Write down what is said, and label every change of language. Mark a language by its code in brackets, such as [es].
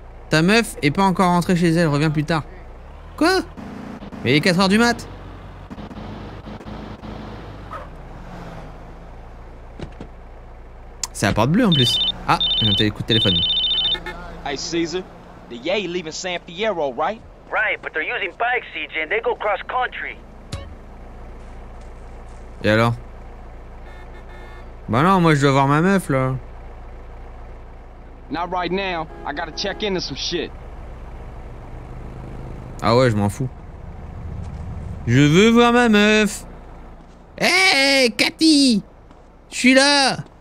[fr] Ta meuf est pas encore rentrée chez elle. Reviens plus tard. Quoi? Mais il est 4h du mat. C'est la porte bleue en plus. Ah, j'ai un coup de téléphone. [en] Hey Caesar, The Yay leaving San Fierro, right? Right, but they're using bikes, CJ, and they go cross country. [fr] Et alors? Bah non, moi je dois voir ma meuf là. [en] Not right now. I gotta check into some shit. [fr] Ah ouais, je m'en fous. Je veux voir ma meuf. Hey, Cathy! Je suis là!